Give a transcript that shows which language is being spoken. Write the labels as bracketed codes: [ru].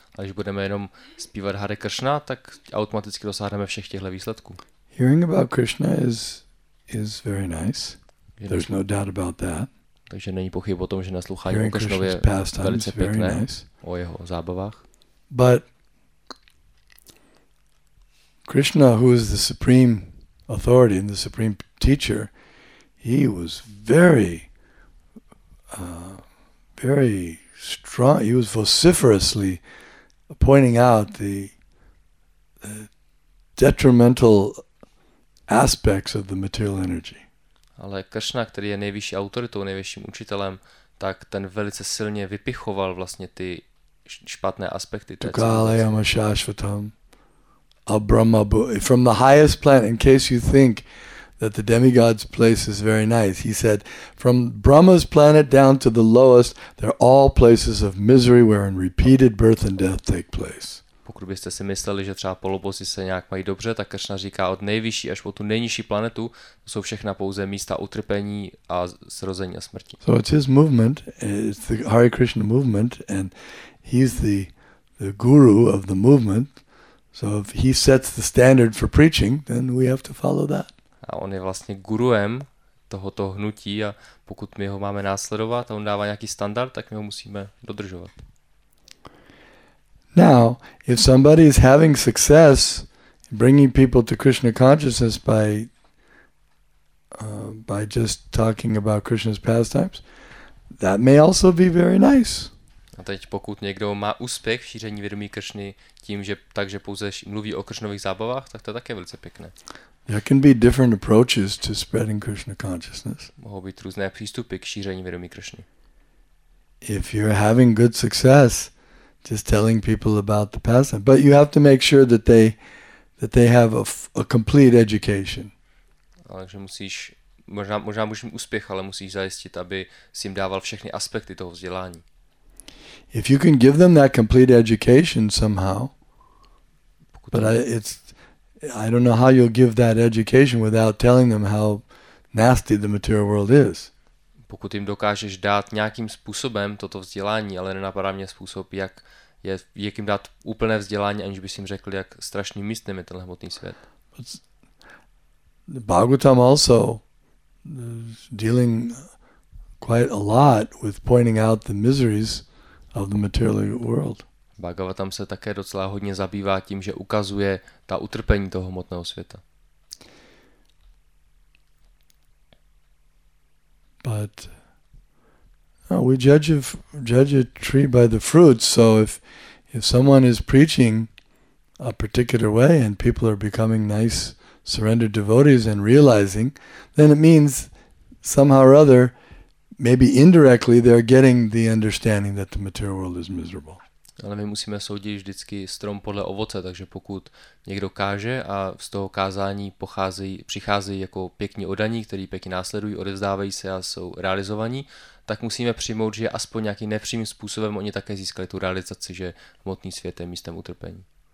[cs] A když budeme jenom zpívat Hare Krishna, tak automaticky dosáhneme všech těchto výsledků. [en] Hearing about Krishna is very nice. There's no doubt about that. [cs] Takže není pochyb o tom, že naslouchání o Krishnově je velice pěkné, o jeho zábavách. [en] But Krishna, who is the supreme authority and the supreme teacher, he was very strong. He was vociferously pointing out the detrimental aspects of the material energy. [cs] Ale Krishna, který je nejvyšší autoritou, nejvyšším učitelem, tak ten velice silně vypichoval vlastně ty špatné aspekty. [sa] Tukalayam ashashvatam abrahmabhu. [en] From the highest planet, in case you think that the demigod's place is very nice, he said, from Brahma's planet down to the lowest, they're all places of misery wherein repeated birth and death take place. [cs] Pokud byste si mysleli, že třeba polobozy se nějak mají dobře, tak Krishna říká, od nejvyšší až po tu nejnižší planetu jsou všechna pouze místa utrpení a zrození a smrti. [en] So it's his movement, it's the Hare Krishna movement, and he's the guru of the movement, so if he sets the standard for preaching, then we have to follow that. [cs] A on je vlastně guruem tohoto hnutí a pokud my ho máme následovat a on dává nějaký standard, tak my ho musíme dodržovat. [en] Now, if somebody is having success bringing people to Krishna consciousness by just talking about Krishna's pastimes, that may also be very nice. [cs] A teď pokud někdo má úspěch v šíření vědomí Krishny tím, že takže pouze mluví o Krishnových zábavách, tak to je také velice pěkné. [en] There can be different approaches to spreading Krishna consciousness. [cs] Mohou být různé přístupy k šíření vědomí Krishny. [en] If you're having good success just telling people about the pastime, but you have to make sure that they have a complete education. [cs] Takže musíš možná můžeš mít úspěch, ale musíš zajistit, aby si jim dával všechny aspekty toho vzdělání. [en] If you can give them that complete education somehow, I don't know how you'll give that education without telling them how nasty the material world is. [cs] Pokud jim dokážeš dát nějakým způsobem toto vzdělání, ale nenapadá mě způsob, jak jim dát úplné vzdělání, aniž bys jim řekl, jak strašný místem je tenhle hmotný svět. [en] Bhagavatam also dealing quite a lot with pointing out the miseries of the material world. [cs] Bhagavatam se také docela hodně zabývá tím, že ukazuje ta utrpení toho hmotného světa. [en] But no, we judge a tree by the fruits, so If someone is preaching a particular way and people are becoming nice surrendered devotees and realizing, then it means somehow or other, maybe indirectly, they're getting the understanding that the material world is miserable. [cs] Ale my musíme soudit vždycky strom podle ovoce, takže pokud někdo káže a z toho kázání přicházejí jako pěkní odaní, kteří pěkně následují, odevzdávají se a jsou realizovaní, tak musíme přijmout, že aspoň nějakým nepřímým způsobem oni také získali tu realizaci, že hmotný svět je místem utrpení.